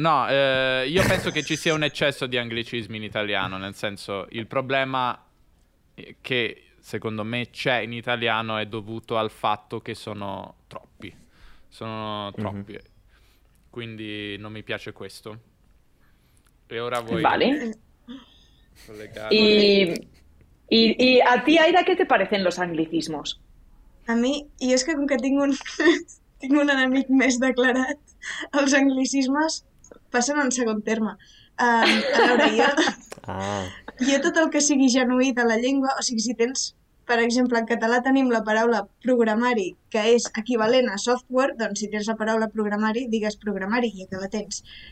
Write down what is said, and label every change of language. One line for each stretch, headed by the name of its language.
Italian: No, io penso che ci sia un eccesso di anglicismi in italiano, nel senso, il problema che secondo me c'è in italiano è dovuto al fatto che sono troppi. Sono troppi. Quindi non mi piace questo. E ora
Spanish: voy Vale.
Italian: collegarmi.
Spanish: Y a ti, Aida, ¿qué te parecen los anglicismos?
Catalan: A mi, i és que com que tinc un enemic més declarat, els anglicismes passen en segon terme. A veure, Ah. jo tot el que sigui genuí de la llengua, o sigui, si tens, per exemple, en català tenim la paraula programari, que és equivalent a software, doncs si tens la paraula programari, digues programari i ja que la tens.